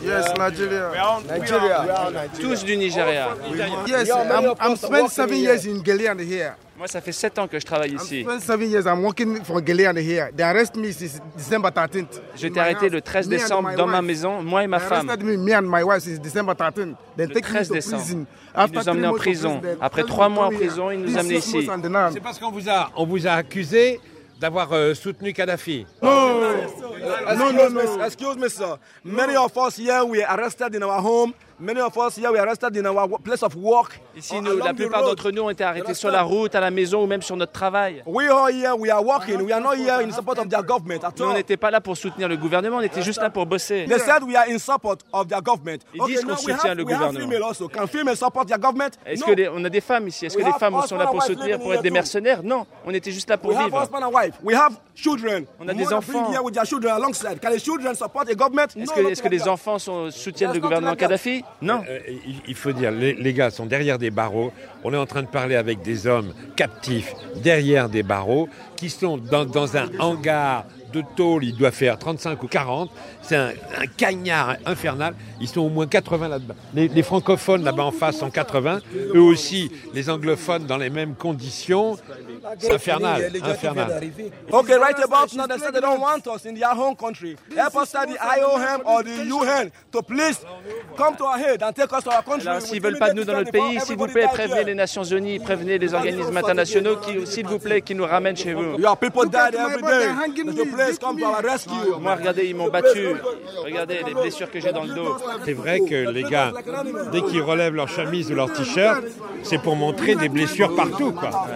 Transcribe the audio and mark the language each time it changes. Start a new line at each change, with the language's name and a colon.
English: Yes, Nigeria.
French: Nigeria. Tous du Nigeria.
English: Yes, I'm spent 7 years in Gilead here.
French: Moi, ça fait 7 ans que je travaille ici.
English: I'm spent 7 years. I'm working for Gilead here. They arrest me since December 13th.
French: Je t'ai arrêté le 13 décembre dans ma maison, moi et ma femme.
English: They arrested me and my wife since December 13th.
French: Le 13 décembre. Ils nous ont amenés en prison. Après 3 mois en prison, ils nous ont amenés ici. C'est parce qu'on vous a accusé d'avoir soutenu Kadhafi.
English: No. Excuse me, sir. Many of us here we are arrested in our home. Many of us here we are arrested in our place of work.
French: Ici, nous, la plupart d'entre nous ont été arrêtés sur la route, à la maison ou même sur notre travail.
English: We are here, we are working. We are not here in support of their government at all.
French: Nous, on n'était pas là pour soutenir le gouvernement. On était juste là pour bosser.
English: They said we are in support of their government.
French: Ils disent qu'on soutient le gouvernement.
English: We have female also. Can female support their government?
French: Est-ce que on a des femmes ici? Est-ce que les femmes sont là pour soutenir, pour être des mercenaires? Non, on était juste là pour vivre.
English: We have husband and wife. We have children.
French: On a des enfants.
English: Here with their children alongside. Can the children support the government?
French: Est-ce que les enfants soutiennent le gouvernement Kadhafi? Non. Il faut dire, les gars sont derrière des barreaux. On est en train de parler avec des hommes captifs derrière des barreaux qui sont dans un hangar de tôle, il doit faire 35 ou 40. C'est un cagnard infernal. Ils sont au moins 80 là-dedans. Les francophones là-bas en face sont 80. Eux aussi, les anglophones dans les mêmes conditions. C'est infernal, infernal.
English: Ok, right about now, they said they don't want us in their home country. Help us at the IOM or the UN to please come to our head and take us to our country.
French: Alors, s'ils ne veulent pas de nous dans notre pays, s'il vous plaît, prévenez les Nations Unies, prévenez les organismes internationaux, qui, s'il vous plaît, qu'ils nous ramènent chez vous.
English: Your people died every day. The police come to our rescue.
French: Moi, regardez, ils m'ont battu. Regardez les blessures que j'ai dans le dos. C'est vrai que les gars, dès qu'ils relèvent leur chemise ou leur t-shirt, c'est pour montrer des blessures partout, quoi.